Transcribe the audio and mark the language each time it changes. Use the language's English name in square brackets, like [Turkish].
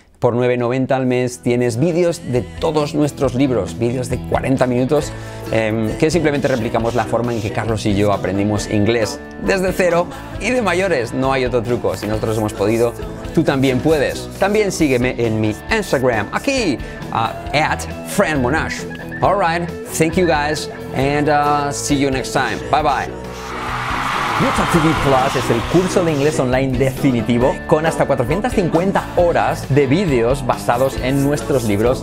[Spanish] Por $9.90 al mes tienes vídeos de todos nuestros libros, vídeos de 40 minutos que simplemente replicamos la forma en que Carlos y yo aprendimos inglés desde cero y de mayores. No hay otro truco. Si nosotros hemos podido, tú también puedes. También sígueme en mi Instagram, aquí, at Fran Monash. [English] All right, thank you guys and see you next time. Bye bye. [Spanish] YouTalk TV Plus es el curso de inglés online definitivo con hasta 450 horas de vídeos basados en nuestros libros.